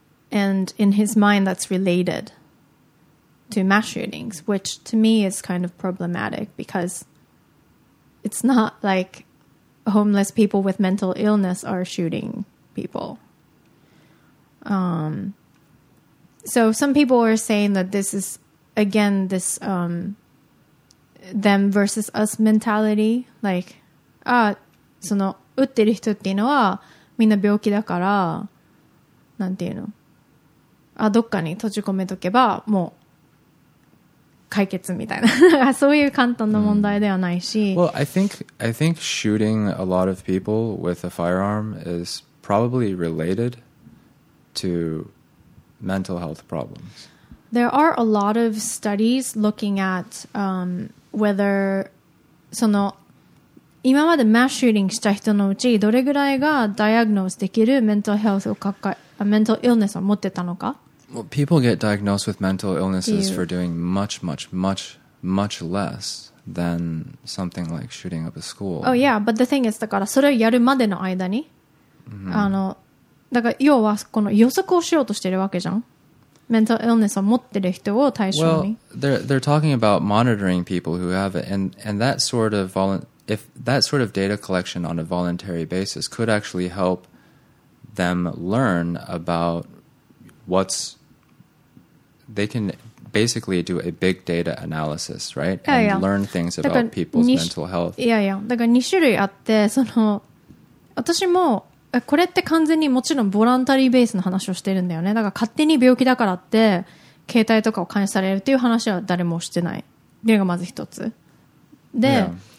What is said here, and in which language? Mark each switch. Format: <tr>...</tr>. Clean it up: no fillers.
<en>And in his mind, that's related to mass shootings, which to me is kind of problematic because it's not like homeless people with mental illness are shooting people. So some people are saying that this is, again, this them versus us mentality.</en> <ja>Like, その撃ってる人っていうのはみんな病気だから、なんていうの? あどっかに閉じ込めとけばもう解決みたいなそういう簡単な問題ではないし、</ja> <en>Well, I think shooting a lot of people with a firearm is probably related to mental health problems. There are a lot of studies looking at whether</en> <ja>その今までマッシューリングした人のうちどれぐらいがダイアグノースできるmental illness を持ってたのか。</ja> <en>Well, people get diagnosed with mental illnesses for doing much, much, much, much less than something like shooting up a school. Oh, yeah, but the thing is,</en> <ja>だからそれをやるまでの間に、あの、だから要はこの予測をしようとしてるわけじゃん。 Mental illness を持ってる人を対象に。</ja> <en>Well, they're talking about monitoring people who have it, and that sort of if that sort of data collection on a voluntary basis could actually help them learn about what's they can basically do a big data analysis, right? Yeah, and yeah. learn things about people's mental health. Yeah, yeah.</en> <ja>だから2種類あって、その私もこれって完全にもちろんボランタリーベースの話をしてるんだよね。だから勝手に病気だからって携帯とかを監視されるっていう話は誰もしてない。っていうのがまず一つ。で、yeah.</ja>